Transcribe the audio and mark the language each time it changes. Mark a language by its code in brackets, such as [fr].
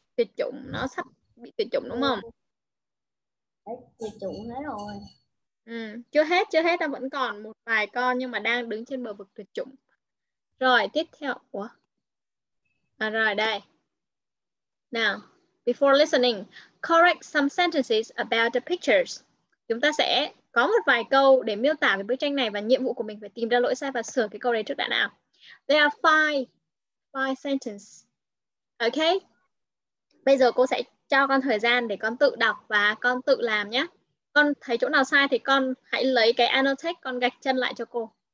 [vi] Tuyệt chủng, nó sắp bị tuyệt chủng đúng không? Tuyệt chủng hết rồi. Chưa hết, ta vẫn còn một vài con nhưng mà đang đứng trên bờ vực tuyệt chủng. Rồi, tiếp theo. Ủa? À, rồi đây. [en] Now, before listening, correct some sentences about the pictures. [vi] Chúng ta sẽ có một vài câu để miêu tả về bức tranh này và nhiệm vụ của mình phải tìm ra lỗi sai và sửa cái câu đấy trước đã nào. [en] There are five sentences. Okay? [vi] Bây giờ cô sẽ cho con thời gian để con tự đọc và con tự làm nhé. Con thấy chỗ nào sai thì con hãy lấy cái annotate con gạch chân lại cho cô.